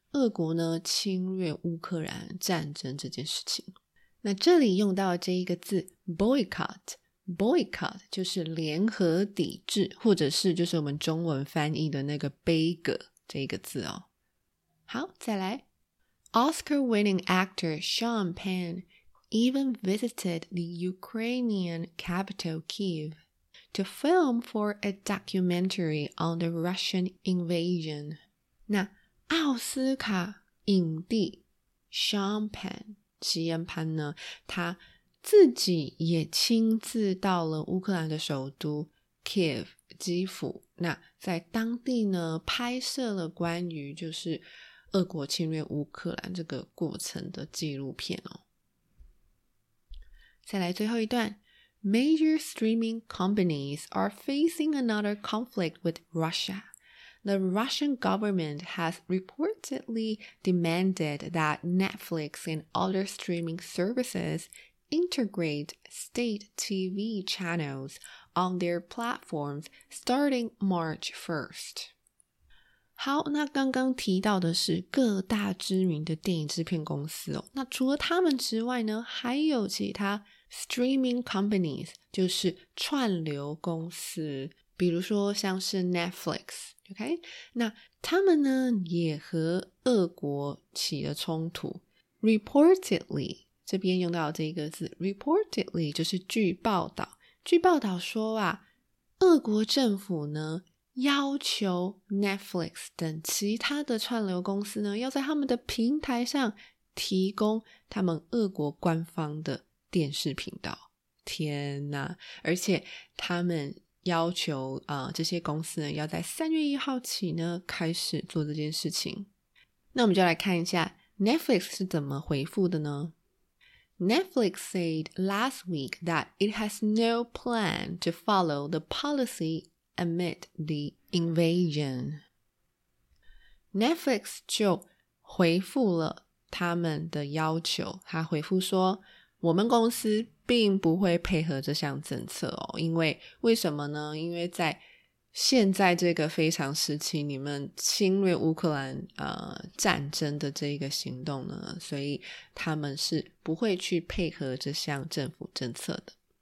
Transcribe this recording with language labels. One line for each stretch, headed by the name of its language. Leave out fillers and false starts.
Chinese: 俄国呢侵略乌克兰战争这件事情。那这里用到这一个字 boycott， boycott 就是联合抵制，或者是就是我们中文翻译的那个悲歌这一个字哦。好，再来。
English: Oscar winning actor Sean Penn even visited the Ukrainian capital Kyiv to film for a documentary on the Russian invasion.
Chinese: 那奥斯卡影帝 Sean Penn 席恩潘呢，他自己也亲自到了乌克兰的首都 Kyiv 基辅，那在当地呢拍摄了关于就是俄国侵略乌克兰这个过程的纪录片哦。再来最后一段，
English: Major streaming companies are facing another conflict with Russia. The Russian government has reportedly demanded that Netflix and other streaming services integrate state TV channels on their platforms starting March 1st.
Chinese: 好，那刚刚提到的是各大知名的电影制片公司哦。那除了他们之外呢，还有其他
English: streaming companies，
Chinese: 就是串流公司，比如说像是 Netflix， OK？那他们呢也和俄国起了冲突。 Reportedly， 这边用到这个字 ，reportedly 就是据报道，据报道说啊，俄国政府呢要求 Netflix 等其他的串流公司呢要在他们的平台上提供他们俄国官方的电视频道。天哪，而且他们要求这些公司呢要在3月1号起呢开始做这件事情。那我们就来看一下 Netflix 是怎么回复的呢？
English: Netflix said last week that it has no plan to follow the policyAmid the invasion.
Chinese: Netflix 就回复了他们的要求，他回复说我们公司并不会配合这项政策哦，因为为什么呢？因为在现在这个非常时期，你们侵略乌克兰战争的这一个行动呢，所以他们是不会去配合这项政府政策的。